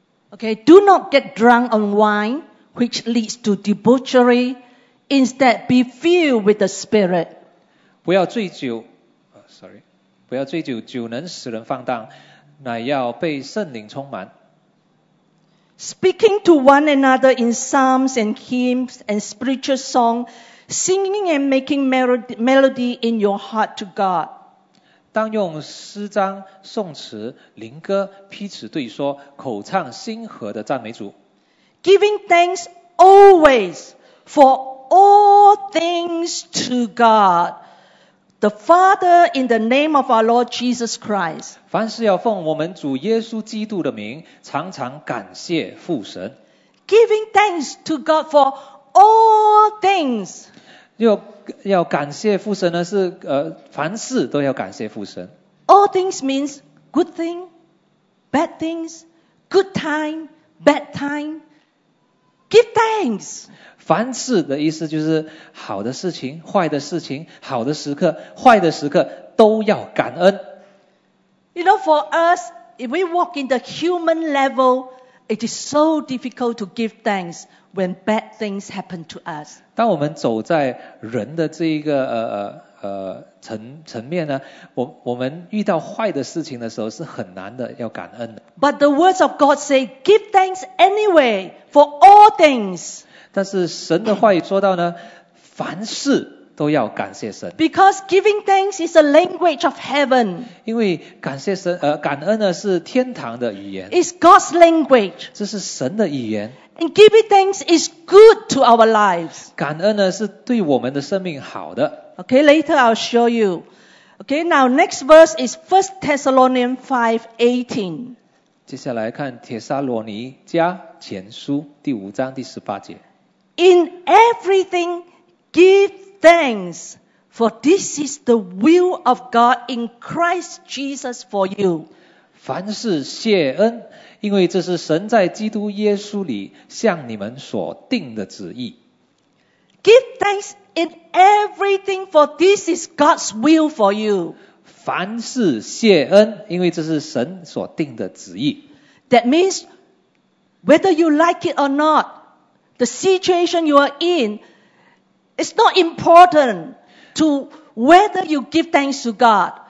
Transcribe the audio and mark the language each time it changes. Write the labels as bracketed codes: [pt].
[en] Okay, do not get drunk on wine, which leads to debauchery. Instead, be filled with the Spirit. [zh] 不要醉酒 ，sorry， 不要醉酒，酒能使人放荡，乃要被圣灵充满。 [en] Speaking to one another in psalms and hymns and spiritual song, singing and making melody in your heart to God. [zh] 当用诗章、颂词、灵歌彼此对说，口唱心和的赞美主。 [en] Giving thanks always for all things to God, the Father in the name of our Lord Jesus Christ. [zh] 凡事要奉我们主耶稣基督的名，常常感谢父神。 [en] Giving thanks to God for all things. [zh] 要感谢父神呢，是凡事都要感谢父神。 [en] All things means good thing, bad things, good time, bad time. Give thanks. [zh] 凡事的意思就是好的事情、坏的事情、好的时刻、坏的时刻都要感恩。 [en] You know, for us, if we walk in the human level, it is so difficult to give thanks when bad things happen to us. [zh] 当我们走在人的这一个层面呢，我们遇到坏的事情的时候是很难的要感恩的。 [en] But the words of God say, give thanks anyway for all things. [zh] 但是神的话语说到呢，凡事都要感谢神。 [en] Because giving thanks is a language of heaven. [zh] 因为感谢神感恩呢是天堂的语言。 [en] It's God's language. [zh] 这是神的语言。 [en] And giving thanks is good to our lives. [zh] 感恩呢是对我们的生命好的。 [en] Okay, later I'll show you. Okay, now next verse is 1 Thessalonians 5:18. [zh] 接下来看帖撒罗尼迦前书第五章第十八节。 [en] In everything, give thanks, for this is the will of God in Christ Jesus for you. [zh] 凡事谢恩，因为这是神在基督耶稣里向你们所定的旨意。 [en] Give thanks in everything, for this is God's will for you. [zh] 凡事谢恩，因为这是神所定的旨意。 [en] That means, whether you like it or not, the situation you are in, it's not important to whether you give thanks to God.